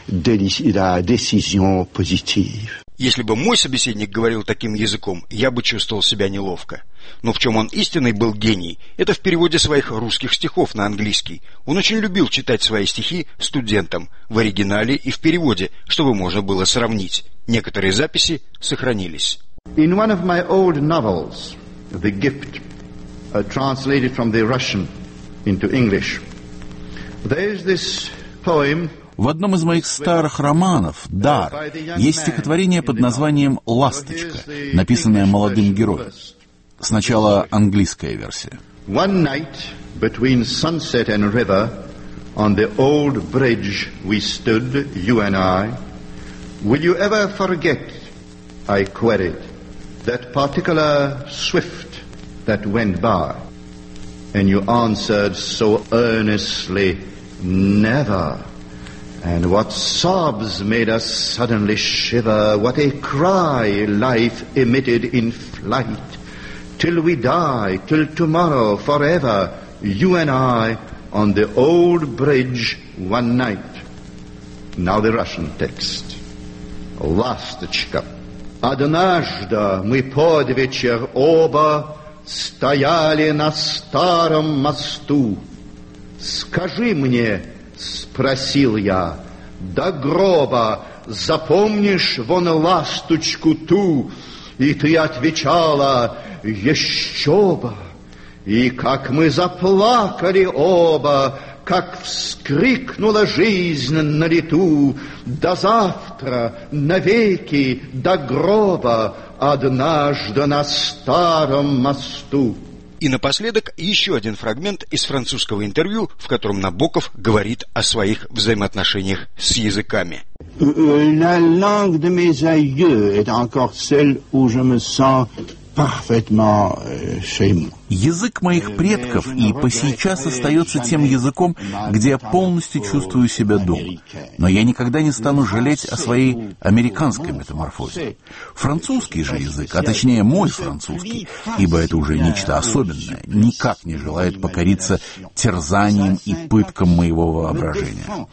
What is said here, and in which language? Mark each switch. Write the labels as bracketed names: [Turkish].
[Russian] Если бы мой собеседник говорил таким языком, я бы чувствовал себя неловко. Но в чем он истинный был гений, это в переводе своих русских стихов на английский. Он очень любил читать свои стихи студентам в оригинале и в переводе, чтобы можно было сравнить. Некоторые записи сохранились. [English] In one of my old novels, The Gift, translated from the Russian into English, there is this poem. [Russian] В одном из моих старых романов «Дар» есть стихотворение под названием «Ласточка», написанное молодым героем. Сначала английская версия. [English] One night between sunset and river, on the old bridge we stood, you and I. Will you ever forget, I queried, that particular swift that went by? And you answered so earnestly, never. And what sobs made us suddenly shiver, what a cry life emitted in flight, till we die, till tomorrow, forever, you and I, on the old bridge, one night. Now the Russian text. Ласточка. [Russian] Однажды мы под вечер оба стояли на старом мосту. Скажи мне, спросил я, до гроба запомнишь вон ласточку ту? И ты отвечала, еще бы. И как мы заплакали оба, как вскрикнула жизнь на лету. До завтра, навеки, до гроба, однажды на старом мосту. И напоследок еще один фрагмент из французского интервью, в котором Набоков говорит о своих взаимоотношениях с языками. [French] La langue de mes aïeux est encore celle où je me sens parfaitement chez moi. [Russian] Язык моих предков и по сейчас остается тем языком, где я полностью чувствую себя дома. Но я никогда не стану жалеть о своей американской метаморфозе. Французский же язык, а точнее мой французский, ибо это уже нечто особенное, никак не желает покориться терзаниям и пыткам моего воображения.